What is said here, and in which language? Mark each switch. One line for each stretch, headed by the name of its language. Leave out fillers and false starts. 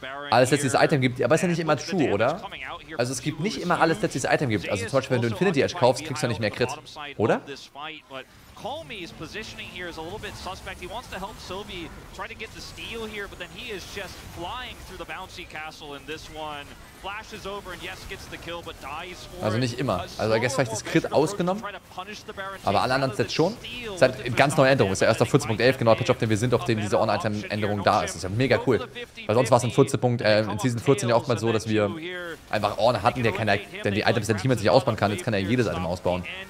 German: Alles, was dieses Item gibt, aber ist ja nicht immer true, oder? Also es gibt nicht immer alles, was dieses Item gibt. Also zum Beispiel, wenn du Infinity Edge kaufst, kriegst du ja nicht mehr Crit, oder?
English: Colmy's positioning here is a little bit suspect. He wants to help Sylvie try to get the steal here, but then he is just flying through the bouncy castle in this one. Flashes over and yes, gets the kill, but dies for it.
German: Also nicht immer. Also, ich guess vielleicht das Crit ausgenommen. Aber alle anderen Sets schon. Seit ganz neue Änderung. Ist ja erst auf 14.11, genau, Patch, auf dem wir sind, auf dem diese On-Item-Änderung da ist. Ist ja mega cool. Weil sonst war es in 14. In Season 14 ja oftmals so, dass wir einfach On hatten, der keiner, denn die Items, die niemand sich ausbauen kann, jetzt kann er jedes Item ausbauen.